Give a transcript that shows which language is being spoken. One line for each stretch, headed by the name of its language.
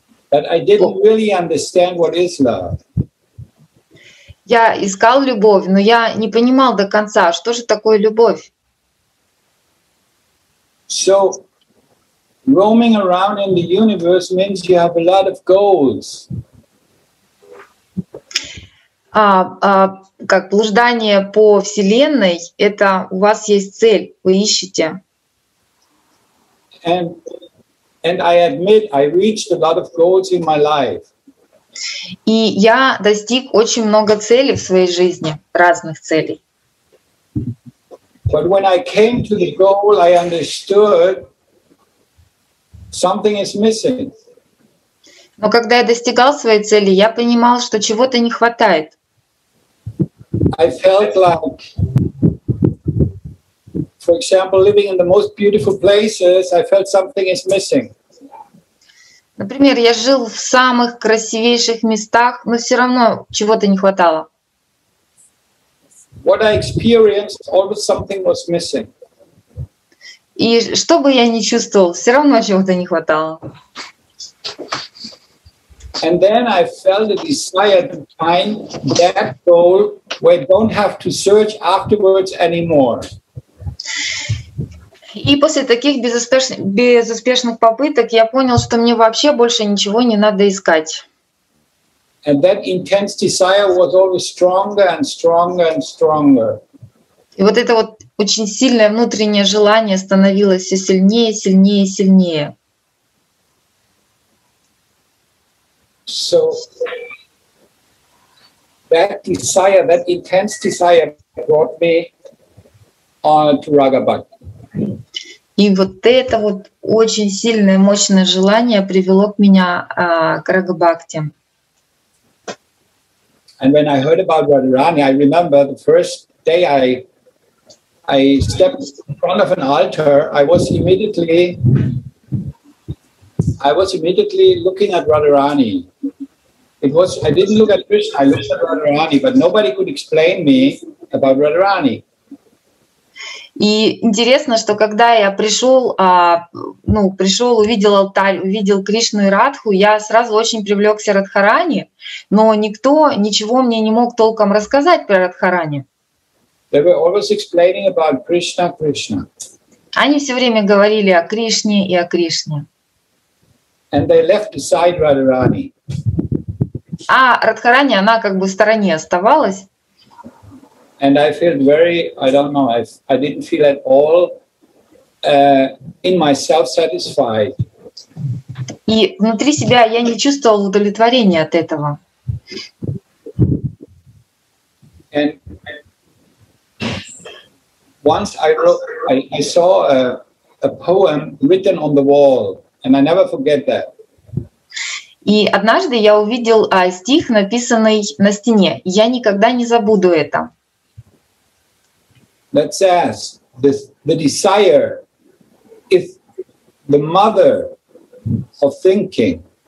English: But I didn't really understand what is love.
Russian: Я искал любовь, но я не понимал до конца, что же такое любовь.
English: So, roaming around in the universe means you have a lot of goals.
Russian: Как блуждание по вселенной, это у вас есть цель, вы ищете.
English: And I admit, I reached a lot of goals in my life.
Russian: И я достиг очень много целей в своей жизни, разных целей.
English: But when I came to the goal, I understood something is missing.
Russian: Но когда я достигал своей цели, я понимал, что чего-то не хватает.
English: I felt like, for example, living in the most beautiful places, I felt something is missing.
Russian: Например, я жил в самых красивейших местах, но все равно чего-то не хватало.
English: What I experienced, always something was missing.
Russian: И что бы я ни чувствовал, все равно чего-то не хватало.
English: And then I felt a desire to find that goal where I don't have to search afterwards anymore.
Russian: И после таких безуспешных попыток я понял, что мне вообще больше ничего не надо искать.
English: And that intense desire was always stronger and stronger and stronger.
Russian: И вот это вот очень сильное внутреннее желание становилось все сильнее, сильнее, сильнее.
English: So that desire, that intense desire brought me on to Raga Bhakti.
Russian: И вот это вот очень сильное, мощное желание привело к меня к Рага Бхакти.
English: And when I heard about Radharani, I remember the first day I stepped in front of an altar, I was immediately looking at Radharani. I didn't look at Krishna, I looked at Radharani, but nobody could explain me about Radharani.
Russian: И интересно, что когда я пришел, увидел алтарь, увидел Кришну и Радху, я сразу очень привлекся Радхарани, но никто ничего мне не мог толком рассказать про Радхарани.
English: They were always explaining about Krishna, Krishna.
Russian: Они все время говорили о Кришне и о Кришне.
English: And they left aside Radharani.
Russian: А Радхарани, она как бы в стороне оставалась.
English: And I felt I didn't feel at all in myself satisfied.
Russian: И внутри себя я не чувствовал удовлетворения от этого.
English: And once I saw a poem written on the wall, and I never forget that.
Russian: И однажды я увидел стих, написанный на стене. Я никогда не забуду это.
English: That says the desire, if the mother of thinking.